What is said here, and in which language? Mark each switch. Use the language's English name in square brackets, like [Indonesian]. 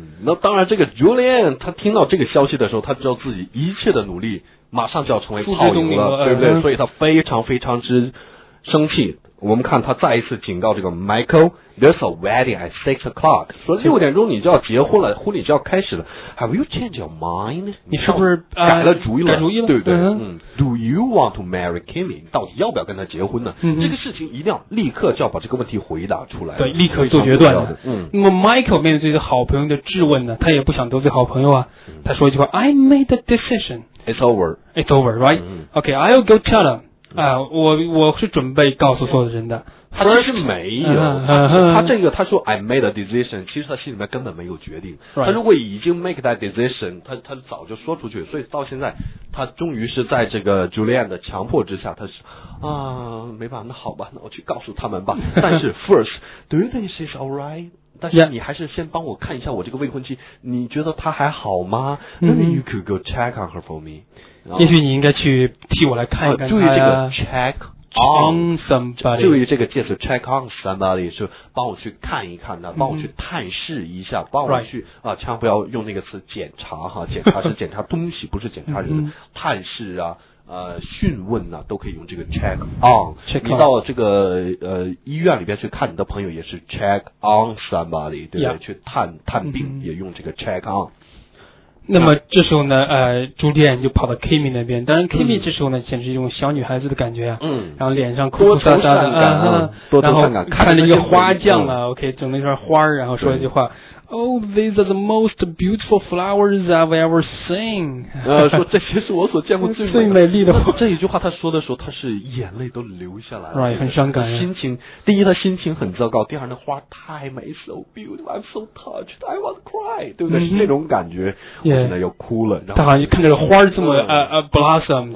[Chinese] 那当然，这个 Julian 他听到这个消息的时候，他知道自己一切的努力马上就要成为泡影了，对不对？所以他非常非常之生气。我们看他再一次警告这个 Michael， [English] There's a wedding at 6 o'clock， [Chinese] 说6点钟你就要结婚了，婚礼就要开始了。 [English] Have you changed your mind？ [Chinese] 你是不是改了主意了？改主意了，对不对？ [English] Do you want to marry Kimmy？ [Chinese] 到底要不要跟他结婚呢？这个事情一定要立刻就要把这个问题回答出来，对，立刻做决断的。那么 Michael 面对这个好朋友的质问呢，他也不想得罪好朋友啊，他说一句话 ： [English] I made a decision. It's over. It's over, right？ Okay, I'll go tell him. [Chinese] 我是准备告诉所有的人的。他其实没有，他这个他说 [English] I made a decision， [Chinese] 其实他心里面根本没有决定。他如果已经 [English] make that decision， [Chinese] 他早就说出去。所以到现在，他终于是在这个 Julian 的强迫之下，他是啊，没办法，那好吧，那我去告诉他们吧。但是 [English] first， do you think she's alright？ [Chinese] 但是你还是先帮我看一下我这个未婚妻，你觉得她还好吗？ [English] Maybe you could go check on her for me。 [Chinese] 也许你应该去替我来看一看她啊。注意这个 [English] check on somebody， [Chinese] 注意这个介词 check on somebody， 是帮我去看一看的，帮我去探视一下，帮我去啊，千万不要用那个词检查哈，检查是检查东西，不是检查人，探视啊。讯问呢、啊、都可以用这个 check on， 你到这个医院里边去看你的朋友也是 [English] check on somebody， [Chinese] 对不对？去探病也用这个 check on。那么这时候呢，朱莉安就跑到 Kimmy 那边，当然 Kimmy 这时候呢，简直一种小女孩子的感觉啊，然后脸上哭哭撒撒的，然后看着一个花匠啊、OK， 整了一串花，然后说一句话。 [English] Oh, these are the most beautiful flowers I've ever seen. [Chinese] 说这些是我所见过最美丽的。这一句话他说的时候，他是眼泪都流下来了。 [English] Right， [Chinese] 很伤感。心情，第一他心情很糟糕，第二那花太美 ， [English] so beautiful, I'm so touched, I want to cry， [Chinese] 对不对？是那种感觉，我现在要哭了。然后他好像看着花这么blossom。